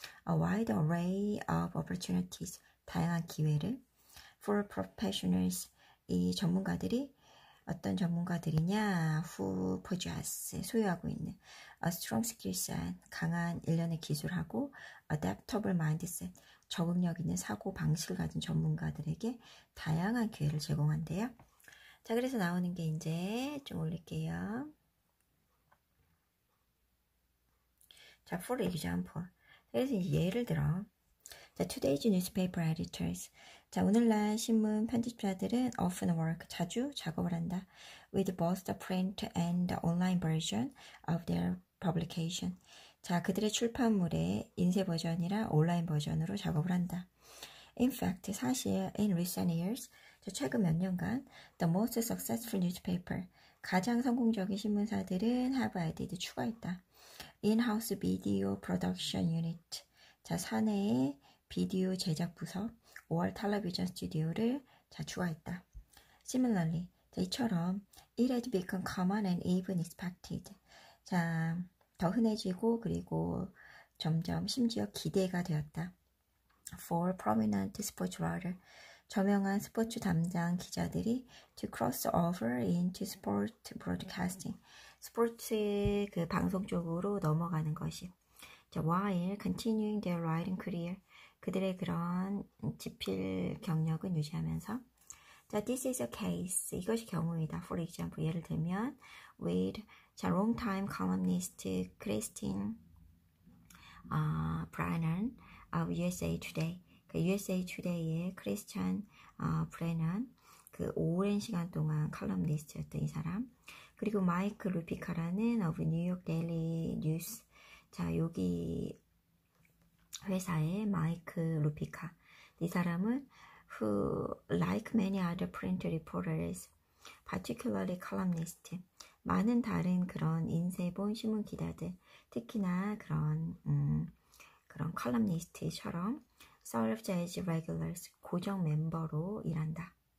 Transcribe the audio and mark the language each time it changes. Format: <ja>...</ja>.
<en>A wide array of opportunities,</en> <ko>다양한 기회를.</ko> <en>For professionals,</en> <ko>이 전문가들이 어떤 전문가들이냐?</ko> <en>Who possess</en> <ko>소유하고 있는</ko> <en>a strong skill set</en> <ko>강한 일련의 기술하고</ko> <en>adaptable mindset</en> <ko>적응력 있는 사고 방식을 가진 전문가들에게 다양한 기회를 제공한대요. 자, 그래서 나오는 게 이제 좀 올릴게요. 자,</ko> <en>for example.</en> <ko>그래서 예를 들어.</ko> <en>자, today's newspaper editors.</en> <ko>자, 오늘날 신문 편집자들은</ko> <en>often work,</en> <ko>자주 작업을 한다.</ko> <en>With both the print and the online version of their publication.</en> <ko>자, 그들의 출판물의 인쇄 버전이랑 온라인 버전으로 작업을 한다.</ko> <en>In fact,</en> <ko>사실,</ko> <en>in recent years, 자,</en> <ko>최근 몇 년간,</ko> <en>the most successful newspaper,</en> <ko>가장 성공적인 신문사들은</ko> <en>have added,</en> <ko>추가했다.</ko> <en>In-house video production unit, 자,</en> <ko>사내의 비디오 제작 부서,</ko> <en>or television studio를 자,</en> <ko>추가했다.</ko> <en>Similarly, 자,</en> <ko>이처럼,</ko> <en>it had become common and even expected.</en> <ko>자, 더 흔해지고, 그리고 점점 심지어 기대가 되었다.</ko> <en>For prominent sports writer,</en> <ko>저명한 스포츠 담당 기자들이</ko> <en>to cross over into sport broadcasting,</en> <ko>스포츠의 그 방송 쪽으로 넘어가는 것이. 자,</ko> <en>while continuing their writing career,</en> <ko>그들의 그런 집필 경력은 유지하면서.</ko> <en>자, this is a case.</en> <ko>이것이 경우이다.</ko> <en>For example,</en> <ko>예를 들면,</ko> <en>with, 자, longtime columnist Christine, Brennan of USA Today.</en> <ko>그 USA Today의 Christian, Brennan. 그 오랜 시간 동안 칼럼니스트였던 이 사람. 그리고 마이크 루피카라는</ko> <en>of New York Daily News.</en> <ko>자, 여기, 회사의 마이크 루피카. 이 사람은</ko> <en>who like many other print reporters, particularly columnists,</en> <ko>많은 다른 그런 인쇄본 신문 기자들, 특히나 그런 columnist처럼</ko> <en>served as regulars,</en> <ko>고정 멤버로 일한다.</ko>